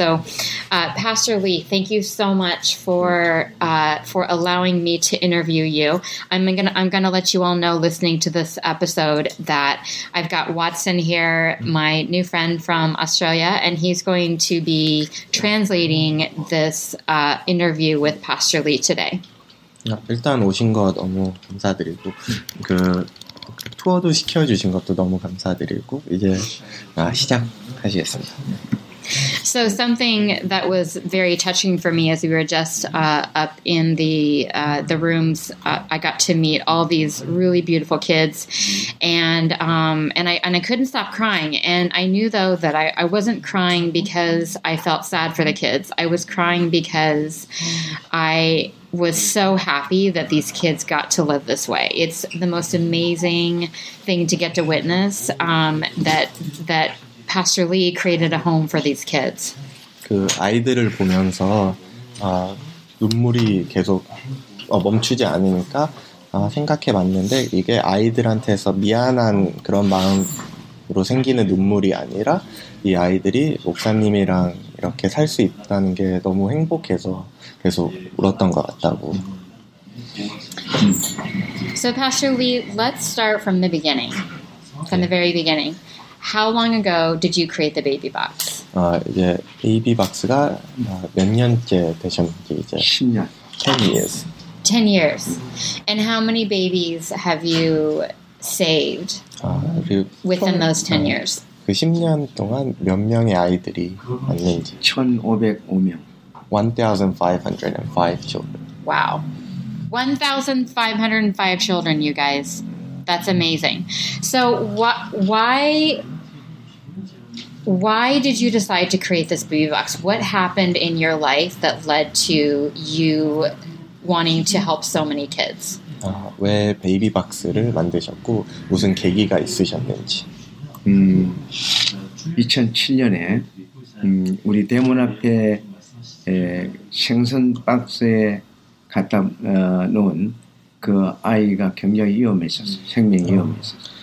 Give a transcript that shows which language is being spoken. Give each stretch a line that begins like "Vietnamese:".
English: So Pastor Lee, thank you so much for allowing me to interview you. I'm gonna let you all know listening to this episode that I've got Watson here, my new friend from Australia, and he's going to be translating this interview with Pastor Lee today.
Korean: 일단 오신 거 너무 감사드리고 그 투어도 시켜주신 것도 너무 감사드리고 이제 시작하시겠습니다.
English: So something that was very touching for me as we were just up in the rooms, I got to meet all these really beautiful kids, and I couldn't stop crying. And I knew though that I wasn't crying because I felt sad for the kids. I was crying because I was so happy that these kids got to live this way. It's the most amazing thing to get to witness that Pastor Lee created a home for these kids.
Korean: 그 아이들을 보면서 아 눈물이 계속 멈추지 않으니까 생각해 봤는데 이게 아이들한테서 미안한 그런 마음으로 생기는 눈물이 아니라 이 아이들이 목사님이랑 이렇게 살 수 있다는 게 너무 행복해서 계속 울었던 것 같다고.
English: So Pastor Lee, let's start from the beginning. From the very beginning. How long ago did you create the baby box?
Korean: 이제 베이비 박스가 몇 년째 되셨는지 이제 10년.
English: 10 years. 10 years. And how many babies have you saved within those 10 years?
Korean: 그 10년 동안 몇 명의 아이들이 왔는지 1,505명.
English: 1,505 children. Wow. 1,505 children, you guys. That's amazing. So, why did you decide to create this baby box? What happened in your life that led to you wanting to help so many kids?
Korean: 왜 베이비 박스를 만드셨고 무슨 계기가 있으셨는지. 2007년에 우리 대문 앞에 생선 박스에 갖다 놓은 그 아이가 굉장히 위험했었어요. 생명이 위험했었어요.